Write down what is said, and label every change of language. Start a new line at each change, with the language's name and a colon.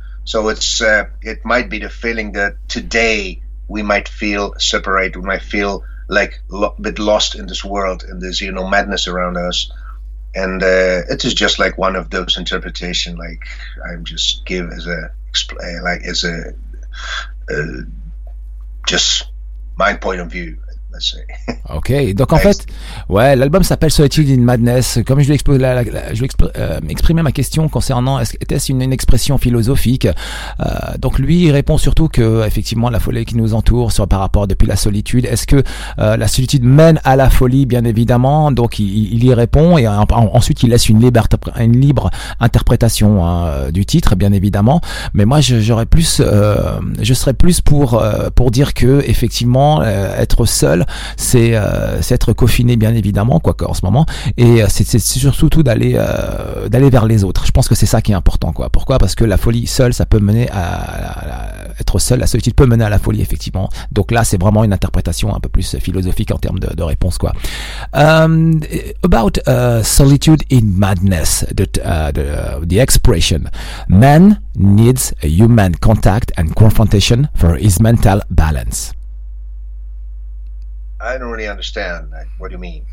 English: So it's it might be the feeling that today we might feel separate, we might feel like a bit lost in this world, in this, you know, madness around us. And it is just like one of those interpretation, like I'm just give as a, like as a, just my point of view. let's say.
French: Ok, donc en fait, ouais, l'album s'appelle So Etude in Madness. Comme je lui exprimais ma question concernant était-ce une expression philosophique, donc lui il répond surtout que effectivement la folie qui nous entoure soit par rapport depuis la solitude. Est-ce que la solitude mène à la folie? Bien évidemment, donc il y répond et ensuite il laisse une libre interprétation du titre, bien évidemment. Mais moi je serais plus pour dire que effectivement être seul, c'est être confiné, bien évidemment, quoi, en ce moment, et c'est surtout d'aller vers les autres. Je pense que c'est ça qui est important, quoi. Pourquoi? Parce que la folie seule, ça peut mener être seul, la solitude peut mener à la folie, effectivement. Donc là, c'est vraiment une interprétation un peu plus philosophique en termes de réponse, quoi.
English: About solitude in madness, the expression man needs a human contact and confrontation for his mental balance. I don't really understand. What do you mean?